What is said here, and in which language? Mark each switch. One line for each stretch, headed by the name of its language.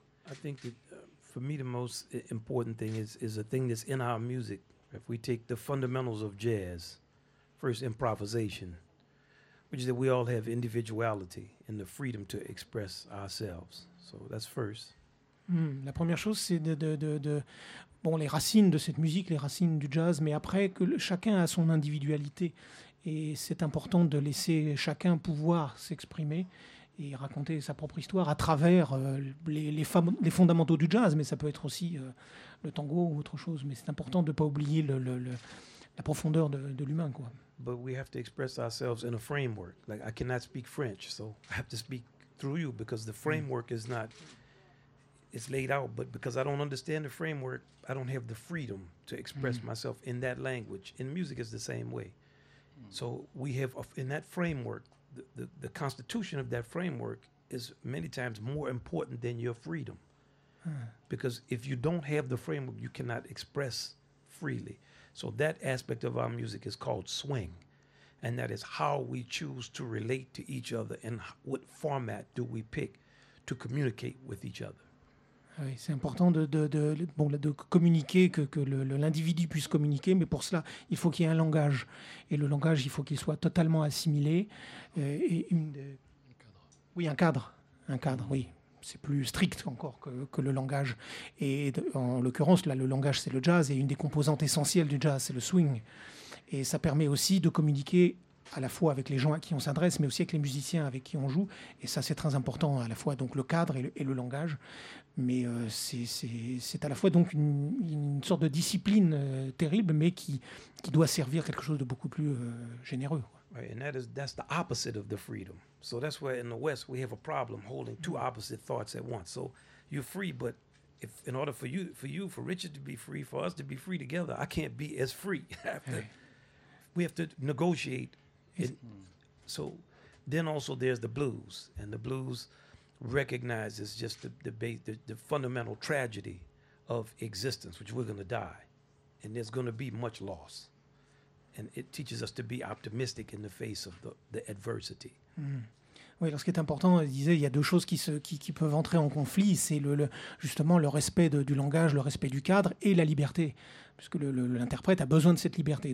English: I think that for me, the most important thing is a thing that's in our music. If we take the fundamentals of jazz, first improvisation, which is that we all have individuality and the freedom to express ourselves. So that's first.
French: La première chose, c'est de les racines de cette musique, les racines du jazz, mais après, que chacun a son individualité. Et c'est important de laisser chacun pouvoir s'exprimer et raconter sa propre histoire à travers les fondamentaux du jazz, mais ça peut être aussi le tango ou autre chose. Mais c'est important de ne pas oublier la profondeur de l'humain, quoi.
English: But we have to express ourselves in a framework. Like, I cannot speak French, so I have to speak through you because the framework is not... It's laid out, but because I don't understand the framework, I don't have the freedom to express myself in that language. And music is the same way. So we have, in that framework, the constitution of that framework is many times more important than your freedom. Because if you don't have the framework, you cannot express freely. So that aspect of our music is called swing. And that is how we choose to relate to each other and what format do we pick to communicate with each other.
French: Oui, c'est important de communiquer, que l'individu puisse communiquer, mais pour cela, il faut qu'il y ait un langage. Et le langage, il faut qu'il soit totalement assimilé. Un cadre, c'est plus strict encore que le langage. Et en l'occurrence, là, le langage, c'est le jazz, et une des composantes essentielles du jazz, c'est le swing. Et ça permet aussi de communiquer à la fois avec les gens à qui on s'adresse, mais aussi avec les musiciens avec qui on joue. Et ça, c'est très important, à la fois donc, le cadre et le langage. Mais c'est à la fois donc une sorte de discipline terrible, mais qui doit servir quelque chose de beaucoup plus généreux.
English: Right, and that's the opposite of the freedom. So that's why in the West we have a problem holding two opposite thoughts at once. So you're free, but if in order for you, for Richard to be free, for us to be free together, I can't be as free. We have to negotiate. So then also there's the blues, and the blues recognizes just the fundamental tragedy of existence, which we're going to die, and there's going to be much loss, and it teaches us to be optimistic in the face of the adversity.
French: Oui, alors ce qui est important, je disais, il y a deux choses qui peuvent entrer en conflit, c'est justement le respect du langage, le respect du cadre et la liberté, puisque l'interprète a besoin de cette liberté.